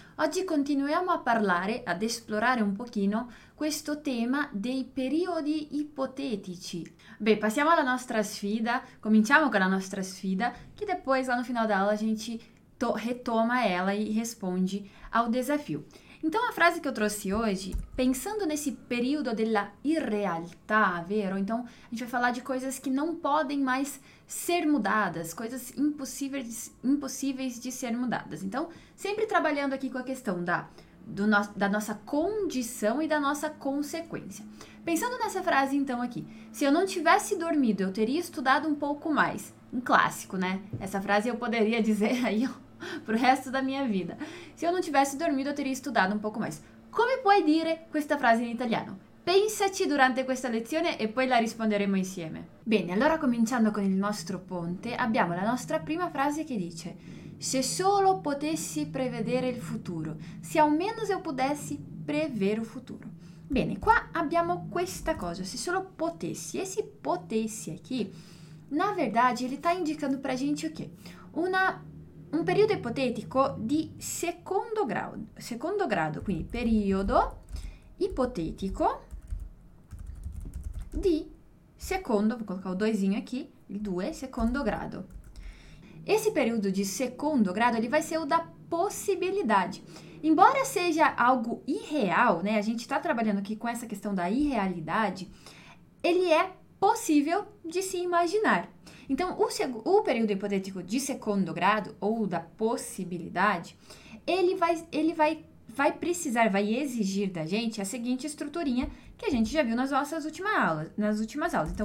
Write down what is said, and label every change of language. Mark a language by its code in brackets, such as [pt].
[it] Oggi continuiamo a parlare, ad esplorare un pochino questo tema dei periodi ipotetici. Beh, passiamo alla nostra sfida, cominciamo con la nostra sfida, che [pt] depois lá no final da aula a gente retoma ela e responde ao desafio. Então, a frase que eu trouxe hoje, pensando nesse período [it] della irrealtà, vero? [pt] Então, a gente vai falar de coisas que não podem mais ser mudadas, coisas impossíveis de ser mudadas. Então, sempre trabalhando aqui com a questão da nossa condição e da nossa consequência. Pensando nessa frase, então, aqui: se eu não tivesse dormido, eu teria estudado um pouco mais. Um clássico, né? Essa frase eu poderia dizer aí, ó. Pro resto da minha vida. Se eu não tivesse dormido, eu teria estudado um pouco mais. [it] Come puoi dire questa frase in italiano? Pensaci durante questa lezione e poi la risponderemo insieme. Bene, allora cominciando con il nostro ponte, abbiamo la nostra prima frase che dice: se solo potessi prevedere il futuro, se almeno [pt] se eu pudessi prever o futuro. [it] Bene, qua abbiamo questa cosa, se solo potessi. [pt] E [it] se potessi [pt] aqui, na verdade, ele tá indicando pra gente o quê? [it] Un periodo ipotetico di secondo grado, quindi periodo ipotetico di secondo, [pt] vou colocar o doisinho aqui, [it] il 2, secondo grado. [pt] Esse [it] periodo di secondo grado, [pt] ele vai ser o da possibilidade. Embora seja algo irreal, né? A gente está trabalhando aqui com essa questão da irrealidade, ele é possível de se imaginar. Então, o período hipotético de segundo grado, ou da possibilidade, ele vai precisar, vai exigir da gente a seguinte estruturinha que a gente já viu nas últimas aulas.